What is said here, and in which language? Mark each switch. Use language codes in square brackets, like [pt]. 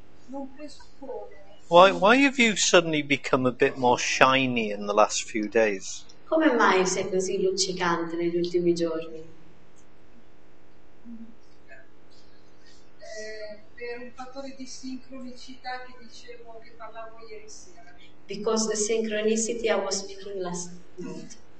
[en] Why have you suddenly become a bit more shiny in the last few days? [it] Come mai sei così luccicante negli ultimi giorni? Per un fattore di sincronicità che dicevo, che parlavo ieri sera. [en] Because the synchronicity I was speaking last night.